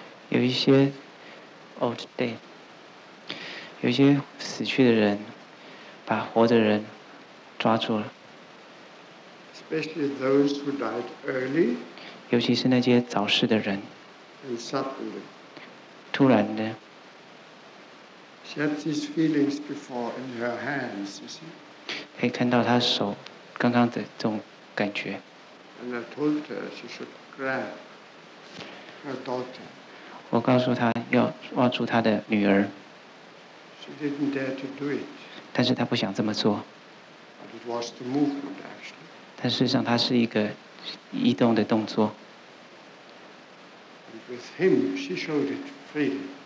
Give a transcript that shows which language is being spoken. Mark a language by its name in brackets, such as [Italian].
[Chinese] 有一些 [English] old dead, [Chinese] 有一些死去的人把活的人抓住了。 [English] Especially those who died early. [Chinese] 尤其是那些早逝的人。 [English] And suddenly. [Chinese] 突然的。 [English] She had these feelings before in her hands, you see. [Chinese] 可以看到她手刚刚的这种感觉。 [English] And I told her she should grab her daughter. [Chinese] 我告诉她要握住她的女儿。 [English] She didn't dare to do it. [Chinese] 但是她不想这么做。 [English] But it was the movement, actually. [Chinese] 但事实上它是一个移动的动作。 [English] And with him, she showed it freely.